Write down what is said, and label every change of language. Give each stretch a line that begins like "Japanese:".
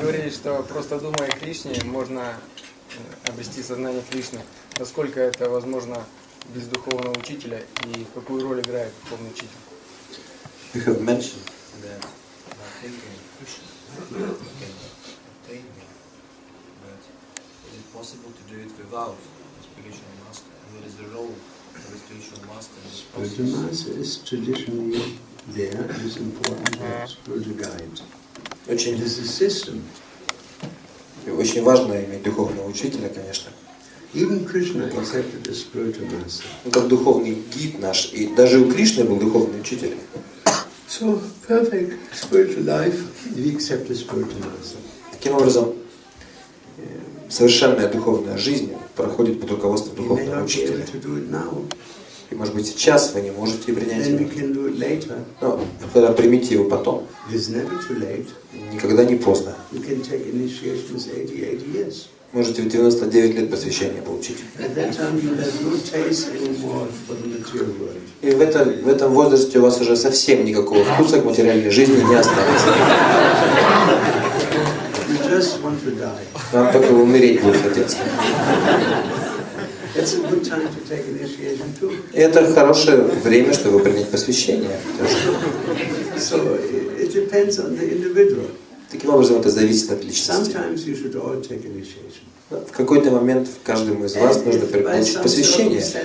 Russian: что просто думая о Кришне, можно обрести сознание Кришны. Насколько это возможно без духовного учителя и какую роль играет духовный учитель?
English: You have mentioned that by thinking Krishna, you can attain me. But is it possible to do it without a spiritual master? And what is the role of a spiritual master in this process? Spiritual master is traditionally there, is important as spiritual guide.
Russian: Очень
English: this is system.
Russian: Очень важно иметь духовного учителя, конечно.
English: Even Krishna accepted a spiritual master.
Russian: Как духовный гид наш, и даже у Кришны был духовный учитель.
English: So perfect spiritual life, we accept a spiritual master.
Russian: Таким образом, совершенная духовная жизнь проходит под руководством духовного учителя.
English: To do it now.
Russian: И, может быть, сейчас вы не можете принять
English: Then
Russian: его.
English: We can do it later.
Russian: Но вы тогда примите его потом.
English: It's never too late.
Russian: Никогда не поздно.
English: You can take initiation as 88 years.
Russian: Можете в 99 лет посвящения получить.
English: At that time you have no taste anymore for the material world.
Russian: И в этом возрасте у вас уже совсем никакого вкуса к материальной жизни не останется.
English: You just want to die.
Russian: Вам только умереть будет хотеться.
English: It's a good time to take initiation too.
Russian: Это хорошее время, чтобы принять посвящение.
English: So it depends on the individual.
Russian: Таким образом, это зависит от личности.
English: Sometimes you should all take initiation.
Russian: В какой-то момент каждому из вас нужно получить посвящение.